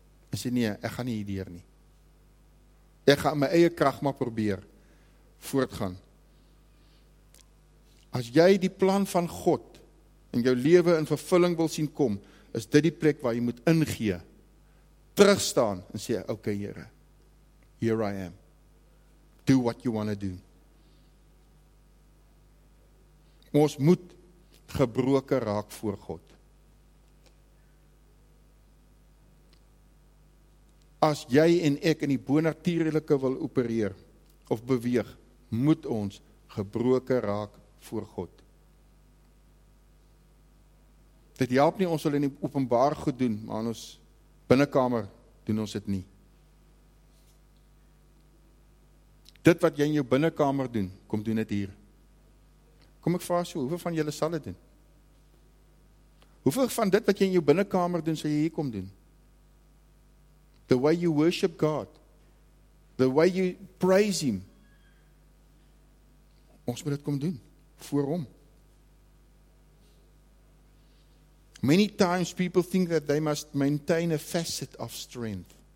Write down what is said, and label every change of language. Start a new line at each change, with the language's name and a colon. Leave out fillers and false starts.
Afrikaans: En sê, nee, ek gaan nie hier deur nie. Ek gaan my eie krag maar probeer voortgaan. As jy die plan van God in jou lewe in vervulling wil sien kom, is dit die plek waar jy moet ingee, terugstaan en sê, okay Here,
English: here I am. Do what you want to do.
Afrikaans: Ons moet gebroken raak voor God. As jy en ek in die bonatuurlike wil opereer of beweeg, moet ons gebroken raak voor God. Dit help nie, ons wil in die openbaar goed doen, maar in ons binnenkamer doen ons dit nie. Dit wat jy in jou binnenkamer doen, kom doen dit hier. Kom ek vraag so, hoeveel van julle sal dit doen? Hoeveel van dit wat jy in jou binnenkamer doen, sal jy hier kom doen?
English: The way you worship God. The way you praise Him.
Afrikaans: Ons moet dit kom doen, voor hom.
English: Many times people think that they must maintain a facet of strength.